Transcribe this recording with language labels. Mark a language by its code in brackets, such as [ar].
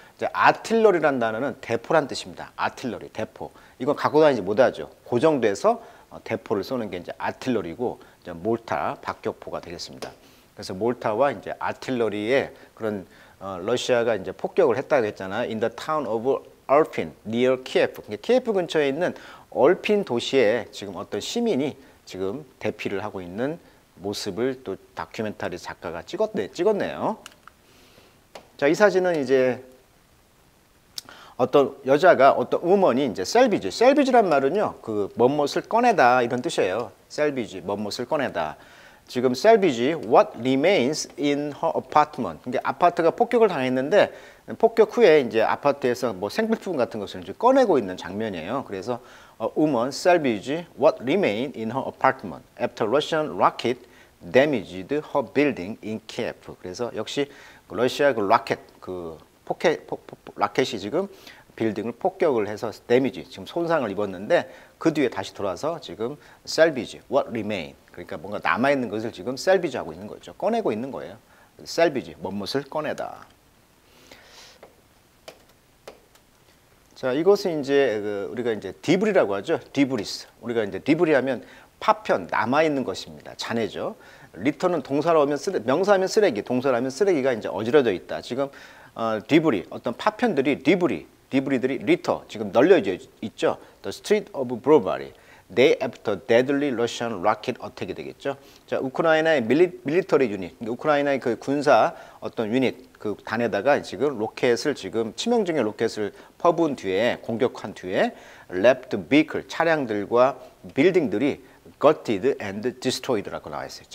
[ko] 이제 아틀러리란 단어는 대포란 뜻입니다. 아틀러리, 대포. 이건 갖고 다니지 못하죠. 고정돼서 대포를 쏘는 게 이제 아틀러리고, 이제 몰타, 박격포가 되겠습니다. 그래서 몰타와 이제 아틀러리의 그런 러시아가 이제 폭격을 했다고 했잖아요. [en] In the town of Irpin, near Kiev. [ko] 키예프 근처에 있는 얼핀 도시에 지금 어떤 시민이 지금 대피를 하고 있는 모습을 또 다큐멘터리 작가가 찍었네요. 자, 이 사진은 이제 어떤 여자가 어떤 우먼이 이제 셀비지, 셀비지란 말은요, 그 뭣뭣을 꺼내다 이런 뜻이에요. 셀비지, 뭣뭣을 꺼내다. 지금 셀비지, [en] what remains in her apartment. [ko] 그러니까 아파트가 폭격을 당했는데 폭격 후에 이제 아파트에서 뭐 생필품 같은 것을 이제 꺼내고 있는 장면이에요. 그래서 [en] a woman salvage what remain in her apartment after Russian rocket damaged her building in Kiev. [ko] 그래서 역시 러시아 그 로켓 그 폭핵 로켓이 지금 빌딩을 폭격을 해서 데미지 지금 손상을 입었는데 그 뒤에 다시 돌아서 지금 [en] salvage what remain [ko] 그러니까 뭔가 남아 있는 것을 지금 salvage 하고 있는 거죠. 꺼내고 있는 거예요. salvage 뭣뭣을 꺼내다. 자, 이것은 이제 그 우리가 이제 디브리라고 하죠. 디브리스. 우리가 이제 디브리하면 파편, 남아 있는 것입니다. 잔해죠. 리터는 동사로 하면 명사하면 쓰레기, 동사로 하면 쓰레기가 이제 어지러져 있다. 지금 디브리, 어떤 파편들이 디브리, 디브리들이 리터 지금 널려져 있죠. [en] The street of bravery. Day after deadly Russian rocket attack이 [ko] 되겠죠. 자, 우크라이나의 밀리터리 유닛, 우크라이나의 그 군사 어떤 유닛 그 단에다가 지금 로켓을 지금 치명적인 로켓을 퍼부은 뒤에 공격한 뒤에 [en] left vehicle [ko] 차량들과 빌딩들이 [en] gutted and destroyed [ko] 라고 나와 있어요.